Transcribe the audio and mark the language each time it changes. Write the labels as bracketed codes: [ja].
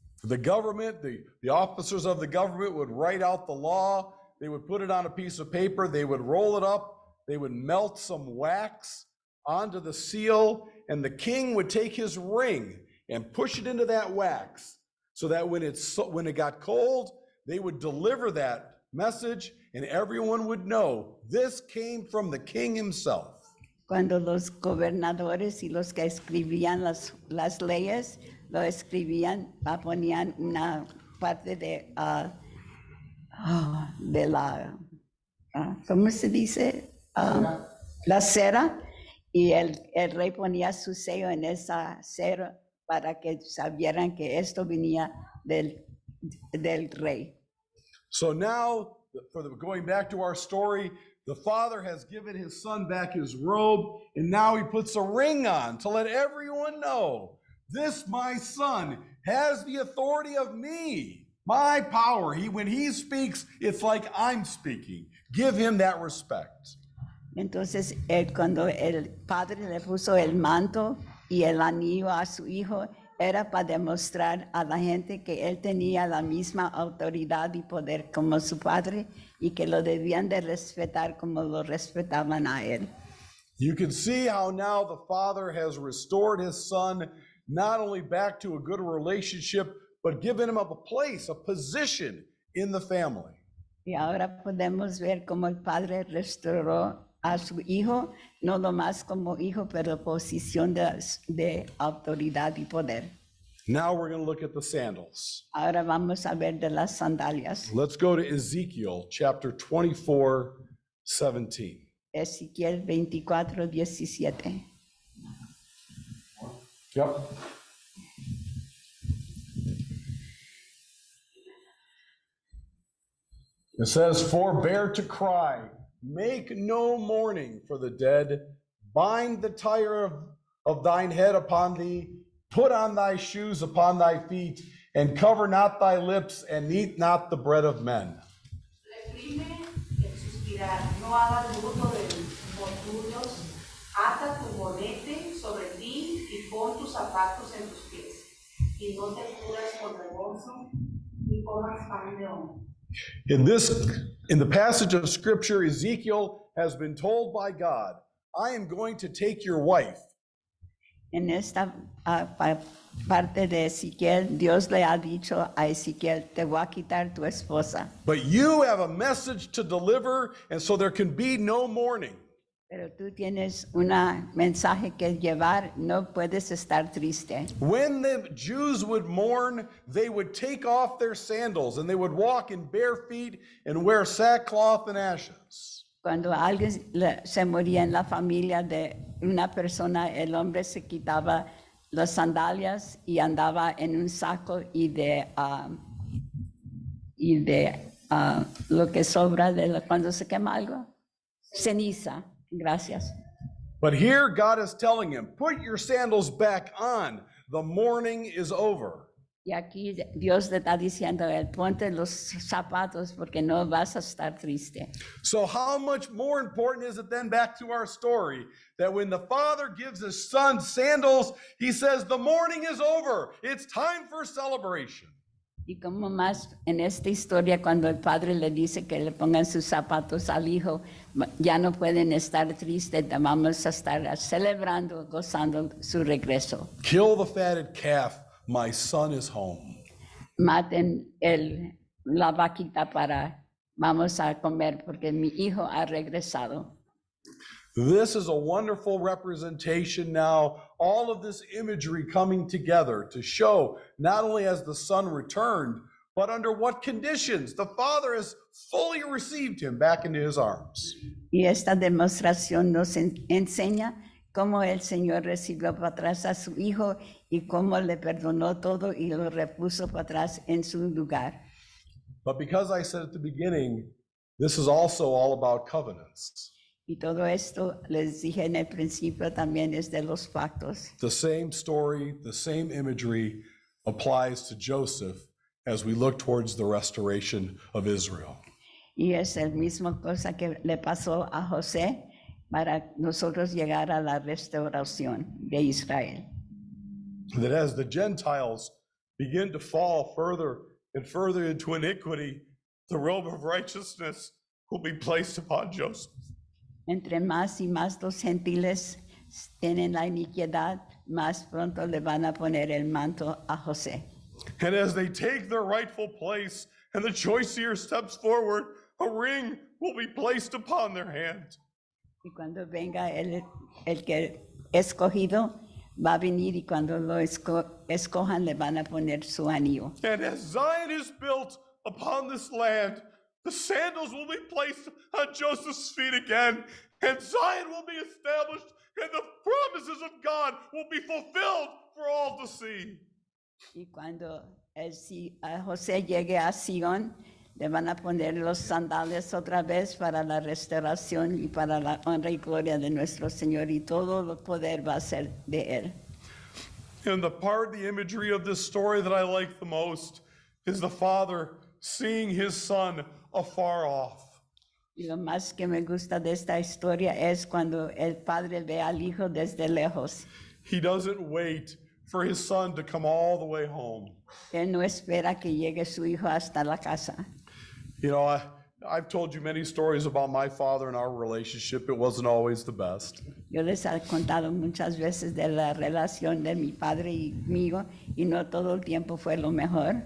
[en] The government, the officers of the government would write out the law, they would put it on a piece of paper, they would roll it up, they would melt some wax onto the seal, and the king would take his ring and push it into that wax so that when it got cold, they would deliver that message and everyone would know this came from the king himself. [es] Cuando los gobernadores y los que escribían las leyes, lo escribían, la ponían una parte de la, ¿cómo se dice? La cera, y el rey ponía su sello en esa cera para que sabieran que esto venía del rey. [en] So now, going back to our story, The Father has given his Son back his robe, and now he puts a ring on to let everyone know, this my Son has the authority of me, my power. When he speaks, it's like I'm speaking. Give him that respect. [es] Entonces, cuando el Padre le puso el manto y el anillo a su Hijo, era para demostrar a la gente que él tenía la misma autoridad y poder como su Padre y que lo debían de respetar como lo respetaban a él. [en] You can see how now the Father has restored his Son not only back to a good relationship, but given him a place, a position in the family. [es] Y ahora podemos ver como el Padre restauró a su Hijo, no nomás como Hijo, pero posición de autoridad y poder. [en] Now we're going to look at the sandals. [es] Ahora vamos a ver de las sandalias. [en] Let's go to Ezekiel chapter 24, 17. Ezekiel 24, 17. Yep. It says, forbear to cry. Make no mourning for the dead. Bind the tire of thine head upon thee. Put on thy shoes upon thy feet, and cover not thy lips, and eat not the bread of men. [es] Reprime el suspirar, no hagas luto de los tuyos. Ata tu bonete sobre ti y pon tus zapatos en tus pies. Y no te cures con rebozo ni comas pan de hombre. [en] In the passage of Scripture, Ezekiel has been told by God, I am going to take your wife. [es] En esta parte de Ezequiel, Dios le ha dicho a Ezequiel, te voy a quitar tu esposa. [en] But you have a message to deliver, and so there can be no mourning. [es] Pero tú tienes una mensaje que llevar, no puedes estar triste. [en] When the Jews would mourn, they would take off their sandals and they would walk in bare feet and wear sackcloth and ashes. [es] Cuando alguien se moría en la familia de una persona, el hombre se quitaba las sandalias y andaba en un saco y de lo que sobra de cuando se quema algo, ceniza. Gracias. [en] But here God is telling him, put your sandals back on. The mourning is over. [es] Y aquí Dios le está diciendo, ponte los zapatos porque no vas a estar triste. [en] So how much more important is it then back to our story that when the Father gives his Son sandals, he says, the mourning is over. It's time for celebration. [es] Y como más en esta historia cuando el Padre le dice que le pongan sus zapatos al Hijo, ya no pueden estar tristes, vamos a estar celebrando, gozando su regreso. [en] Kill the fatted calf, my Son is home. [es] Maten la vaquita para vamos a comer porque mi Hijo ha regresado. [en] This is a wonderful representation now, all of this imagery coming together to show not only has the Son returned, but under what conditions the Father has fully received him back into his arms. [es] Y esta demostración nos enseña cómo el Señor recibió para atrás a su Hijo y cómo le perdonó todo y lo repuso para atrás en su lugar. [en] But because I said at the beginning, this is also all about covenants. [es] Y todo esto les dije en el principio también es de los pactos. [en] The same story, the same imagery applies to Joseph as we look towards the restoration of Israel. [es] Y es el mismo cosa que le pasó a José para nosotros llegar a la restauración de Israel. [en] That as the Gentiles begin to fall further and further into iniquity, the robe of righteousness will be placed upon Joseph. [es] Entre más y más los gentiles tienen la iniquidad, más pronto le van a poner el manto a José. [en] And as they take their rightful place and the choicer steps forward, a ring will be placed upon their hand. [es] Y cuando venga el que escogido va a venir y cuando lo escojan le van a poner su anillo. [en] And as Zion is built upon this land, the sandals will be placed on Joseph's feet again, and Zion will be established, and the promises of God will be fulfilled for all to see. [es] Y cuando José llegue a Sion, Le van a poner los sandales otra vez para la restauración y para la honra y gloria de nuestro Señor y todo el poder va a ser de él. [en] And the part of the imagery of this story that I like the most is the father seeing his son afar off. [es] Y lo más que me gusta de esta historia es cuando el padre ve al hijo desde lejos. [en] He doesn't wait for his son to come all the way home. [es] Él no espera que llegue su hijo hasta la casa. [en] You know, I've told you many stories about my father and our relationship. It wasn't always the best. [es] Yo les he contado muchas veces de la relación de mi padre y mío, y no todo el tiempo fue lo mejor.